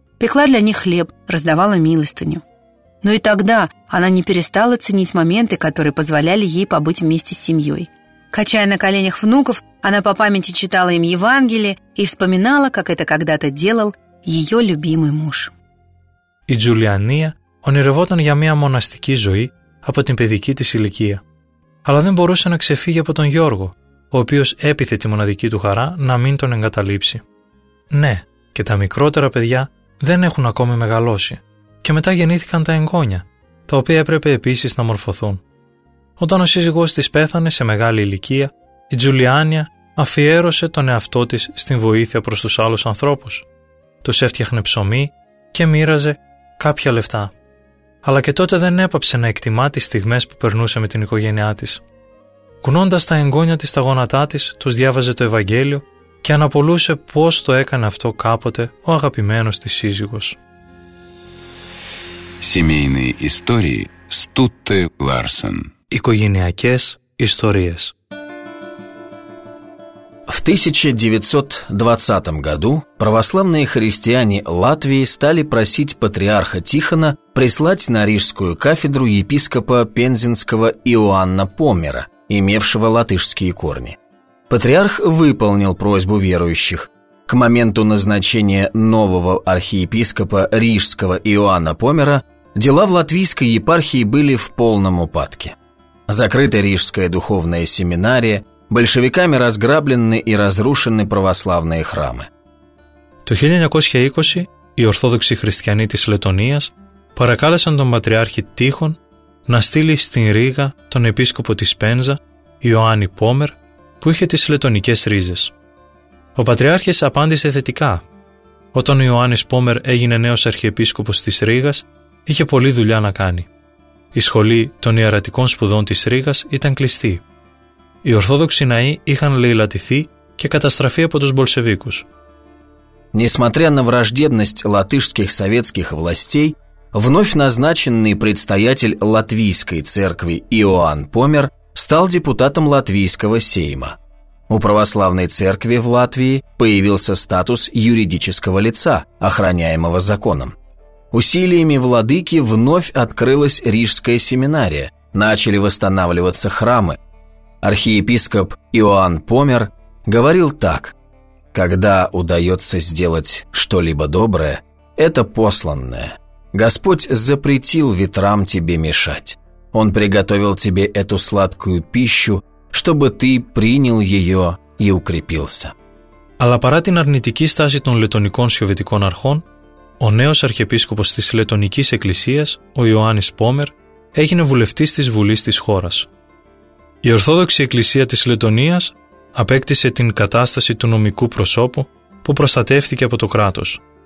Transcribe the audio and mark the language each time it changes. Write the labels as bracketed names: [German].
[Russian] Пекла для них хлеб, раздавала милостыню. Но и тогда она не перестала ценить моменты, которые позволяли ей побыть вместе с семьей. Качая на коленях внуков, она по памяти читала им Евангелие и вспоминала, как это когда-то делал ее любимый муж. [Greek] Η Τζουλιανία ονειρευόταν για μια μοναστική ζωή από την παιδική της ηλικία. Αλλά δεν μπορούσε να ξεφύγει από τον Γιώργο, ο οποίος έπειθε τη μοναδική του χαρά να μην τον εγκαταλείψει. Ναι, και τα μικρότερα παιδιά δεν έχουν ακόμη μεγαλώσει. Και μετά γεννήθηκαν τα εγγόνια, τα οποία έπρεπε επίσης να μορφωθούν. Όταν ο σύζυγός της πέθανε σε μεγάλη ηλικία, η Τζουλιάνια αφιέρωσε τον εαυτό της στην βοήθεια προς τους άλλους ανθρώπους. Τους έφτιαχνε ψωμί και μοίραζε κάποια λεφτά. Αλλά και τότε δεν έπαψε να εκτιμά τις στιγμές που περνούσε με την οικογένειά της. Κουνώντας τα εγγόνια της στα γόνατά της, τους διάβαζε το Ευαγγέλιο και αναπολούσε πώς το έκανε αυτό κάποτε ο αγαπημένος της σύζυγος. [Russian] Семейные истории Стутте Ларсен. [Greek] Οικογενειακές ιστορίες. [Russian] В 1920 году православные христиане Латвии стали просить патриарха Тихона прислать на Рижскую кафедру епископа Пензенского Иоанна Помера, имевшего латышские корни. Патриарх выполнил просьбу верующих. К моменту назначения нового архиепископа Рижского Иоанна Помера дела в латвийской епархии были в полном упадке. Закрыта Рижская духовная семинария, большевиками разграблены и разрушены православные храмы. [Greek] Το 1920 οι Ορθόδοξοι Χριστιανοί της Λετωνίας παρακάλεσαν τον Πατριάρχη Τείχον να στείλει στην Ρίγα τον επίσκοπο της Πένζα, Ιωάννη Πόμερ, που είχε τις λετωνικές ρίζες. Ο Πατριάρχης απάντησε θετικά. Όταν ο Ιωάννης Πόμερ έγινε νέος αρχιεπίσκοπος της Ρίγας, είχε πολλή δουλειά να κάνει. Η σχολή των ιερατικών σπουδών της Ρίγας ήταν κλειστή. Οι Ορθόδοξοι ναοί είχαν λαϊλατηθεί και καταστραφεί από τους Μπολσεβίκους. [Russian] Несмотря на враждебность латышских советских властей, вновь назначенный представитель Латвийской церкви Иоанн Помер стал депутатом Латвийского сейма. У православной церкви в Латвии появился статус юридического лица, охраняемого законом. Усилиями владыки вновь открылась Рижская семинария, начали восстанавливаться храмы. Архиепископ Иоанн Помер говорил так: «Когда удается сделать что-либо доброе, это посланное. Господь запретил ветрам тебе мешать. Он приготовил тебе эту сладкую пищу, чтобы ты принял ее и укрепился». [Greek] Αλλά παρά την αρνητική στάση των λετωνικών σιωβετικών αρχών, ο νέος αρχιεπίσκοπος της Λετωνικής Εκκλησίας, ο Ιωάννης Πόμερ, έγινε βουλευτής της Βουλής της χώρας. Η Ορθόδοξη Εκκλησία της Λετωνίας απέκτησε την κατάσταση του νομικού προσώπου που προστατεύτηκε από το κράτος.